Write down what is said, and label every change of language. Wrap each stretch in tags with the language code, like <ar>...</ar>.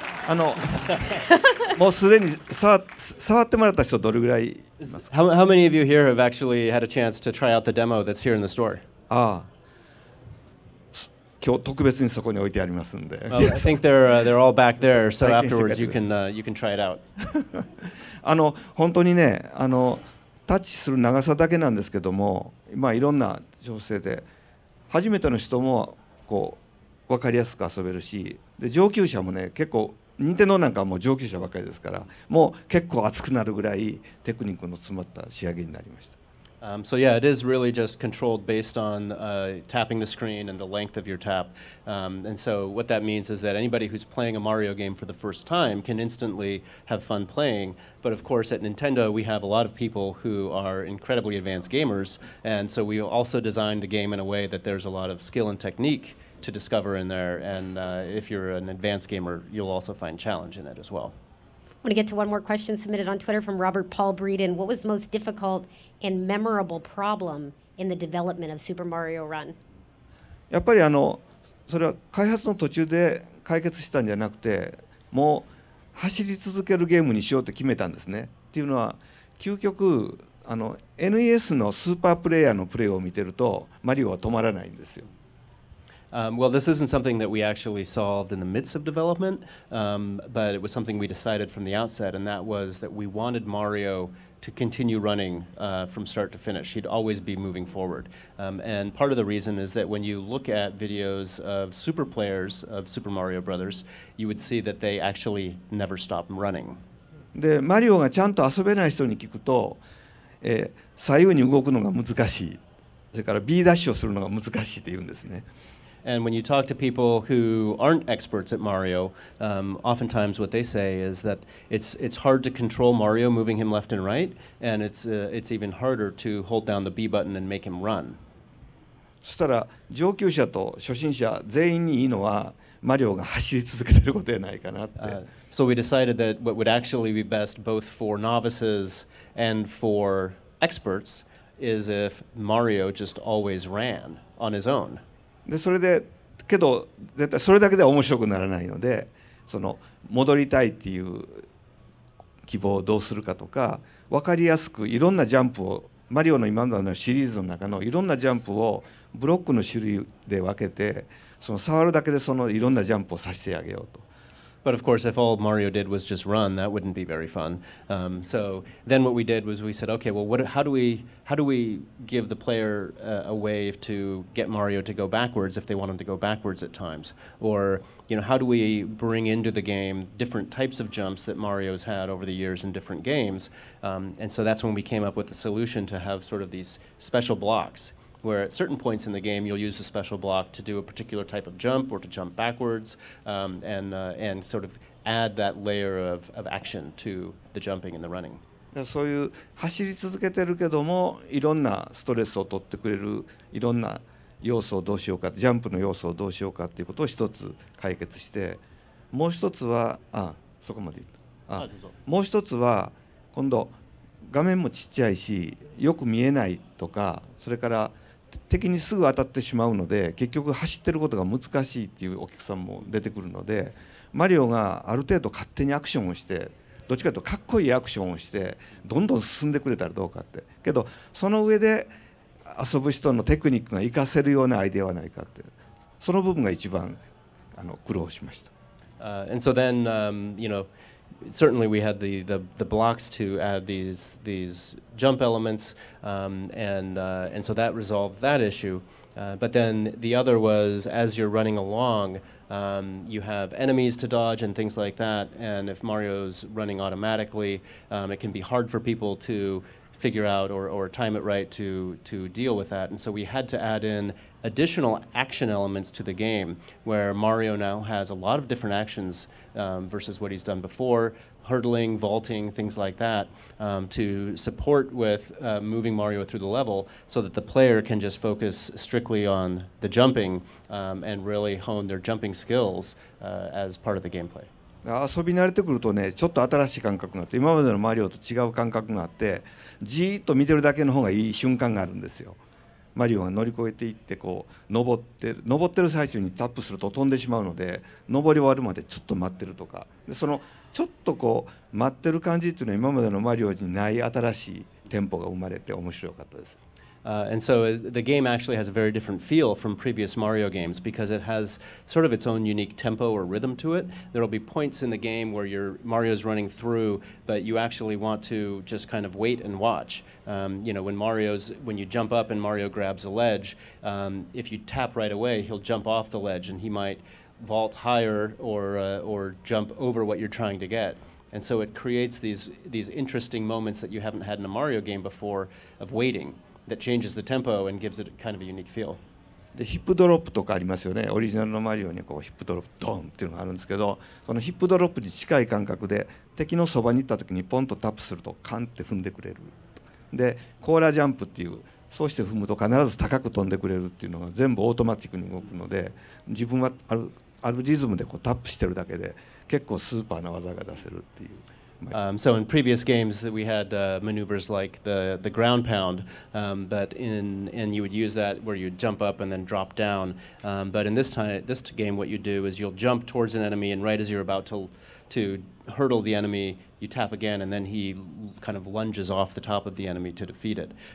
<ja>あのもうすでに触ってもらった人どれぐらいいますか。</ja> <en>How many of you here have actually had a chance to try out the demo that's here in the store?</en> <ja>ああ今日特別にそこに置いてありますんで、</ja> <en>well, I think they're all back there, so afterwards you can try it out.</en> <ja>あの本当にね、あのタッチする長さだけなんですけども、まあいろんな調整で初めての人もこう分かりやすく遊べるし、で上級者もね、結構任天堂なんかはもう上級者ばかりですから、もう結構熱くなるぐらいテクニックの詰まった仕上げになりました。</ja> <en>So yeah, it is really just controlled based on tapping the screen and the length of your tap. And so what that means is that anybody who's playing a Mario game for the first time can instantly have fun playing. But of course, at Nintendo, we have a lot of people who are incredibly advanced gamers. And so we also designed the game in a way that there's a lot of skill and technique to discover in there. And if you're an advanced gamer, you'll also find challenge in it as well. I want to get to one more question submitted on Twitter from Robert Paul Breeden. What was the most difficult and memorable problem in the development of Super Mario Run?</en> <ja>やっぱりあのそれは開発の途中で解決したんじゃなくて、もう走り続けるゲームにしようって決めたんですね。っていうのは究極あの NES のスーパープレイヤーのプレイを見てるとマリオは止まらないんですよ。</ja> <en>Well, this isn't something that we actually solved in the midst of development, but it was something we decided from the outset, and that was that we wanted Mario to continue running from start to finish. He'd always be moving forward. And part of the reason is that when you look at videos of super players of Super Mario Brothers, you would see that they actually never stop running.</en> <ja>で、マリオがちゃんと遊べない人に聞くと、左右に動くのが難しい。それから B ダッシュをするのが難しいって言うんですね。</ja> <en>And when you talk to people who aren't experts at Mario, oftentimes what they say is that it's hard to control Mario moving him left and right, and it's even harder to hold down the B button and make him run.</en> <ja>そしたら上級者と初心者全員にいいのはマリオが走り続けてることじゃないかなって。</ja> <en>So we decided that what would actually be best both for novices and for experts is if Mario just always ran on his own.</en> <ja>でそれでけど絶対それだけでは面白くならないので、その戻りたいっていう希望をどうするかとか、分かりやすくいろんなジャンプをマリオの今までのシリーズの中のいろんなジャンプをブロックの種類で分けて、その触るだけでそのいろんなジャンプをさせてあげようと。</ja> <en>But of course, if all Mario did was just run, that wouldn't be very fun. So then what we did was we said, okay, well, how do we give the player a way to get Mario to go backwards if they want him to go backwards at times? Or, you know, how do we bring into the game different types of jumps that Mario's had over the years in different games? And so that's when we came up with the solution to have sort of these special blocks. Where at certain points in the game you'll use a special block to do a particular type of jump or to jump backwards and sort of add that layer of action to the jumping and the running.</en> <ja>そういう走り続けてるけどもいろんなストレスを取ってくれるいろんな要素をどうしようか、ジャンプの要素をどうしようかっていうことを一つ解決して、もう一つはあそこまで言った。もう一つは今度画面もちっちゃいしよく見えないとか、それから敵にすぐ当たってしまうので結局走ってることが難しいっていうお客さんも出てくるので、マリオがある程度勝手にアクションをして、どっちかというとかっこいいアクションをしてどんどん進んでくれたらどうかって、けどその上で遊ぶ人のテクニックが活かせるようなアイデアはないかって、その部分が一番あの苦労しました。</ja> <en>And so then, you know, certainly we had the blocks to add these jump elements, and so that resolved that issue. But then the other was, as you're running along, you have enemies to dodge and things like that, and if Mario's running automatically, it can be hard for people to figure out or time it right to deal with that. And so we had to add in additional action elements to the game, where Mario now has a lot of different actions versus what he's done before, hurdling, vaulting, things like that, to support with moving Mario through the level so that the player can just focus strictly on the jumping and really hone their jumping skills as part of the gameplay.</en> <ja>遊び慣れてくるとね、ちょっと新しい感覚があって、今までのマリオと違う感覚があって、じーっと見てるだけの方がいい瞬間があるんですよ。マリオが乗り越えていってこう登ってる最中にタップすると飛んでしまうので、登り終わるまでちょっと待ってるとか、でそのちょっとこう待ってる感じっていうのは今までのマリオにない新しいテンポが生まれて面白かったです。</ja> <en>And so the game actually has a very different feel from previous Mario games because it has sort of its own unique tempo or rhythm to it. There will be points in the game where Mario's running through, but you actually want to just kind of wait and watch. You know, when you jump up and Mario grabs a ledge, if you tap right away, he'll jump off the ledge and he might vault higher or jump over what you're trying to get. And so it creates these interesting moments that you haven't had in a Mario game before of waiting, that changes the tempo and gives it kind of a unique feel.</en> <ja>で、ヒップドロップとかありますよね。オリジナルのマリオにこうヒップドロップドーンっていうのがあるんですけど、そのヒップドロップに近い感覚で敵のそばに行った時にポンとタップするとカンって踏んでくれる。で、コーラジャンプっていう、そうして踏むと必ず高く飛んでくれるっていうのが全部オートマティックに動くので、自分はあるリズムでこうタップしてるだけで結構スーパーな技が出せるっていう。</ja> <en>So in previous games we had maneuvers like the ground pound, but and you would use that where you jump up and then drop down. But in this game, what you do is you'll jump towards an enemy, and right as you're about to hurdle the enemy, you tap again, and then he kind of lunges off the top of the enemy to defeat it.</en>